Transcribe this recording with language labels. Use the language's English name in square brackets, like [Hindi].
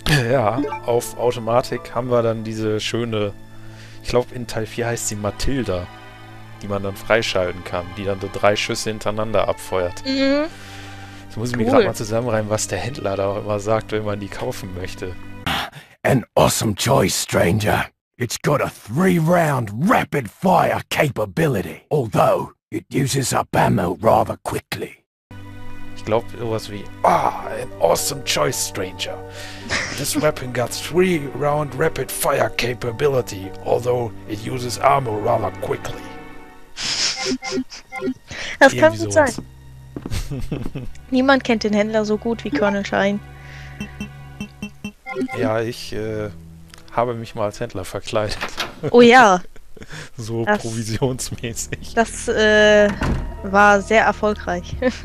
[German] Ja, auf Automatik haben wir dann diese schöne, ich glaube in Teil 4 heißt sie Mathilda, die man dann freischalten kann, die dann so drei Schüsse hintereinander abfeuert. Jetzt muss ich mir gerade mal zusammenreimen, was der Händler da auch immer sagt, wenn man die kaufen möchte. [English] An awesome choice, stranger. It's got a 3-round rapid fire capability, although it uses up ammo rather quickly. [German] Ich glaube, sowas wie, ah, [English] an awesome choice, stranger. This weapon got 3-round rapid fire capability, although it uses ammo rather quickly. [German] Das kann gut sein. Niemand kennt den Händler so gut wie Colonel Shine. Ja, ich habe mich mal als Händler verkleidet. Oh ja. So das, provisionsmäßig. Das war sehr erfolgreich.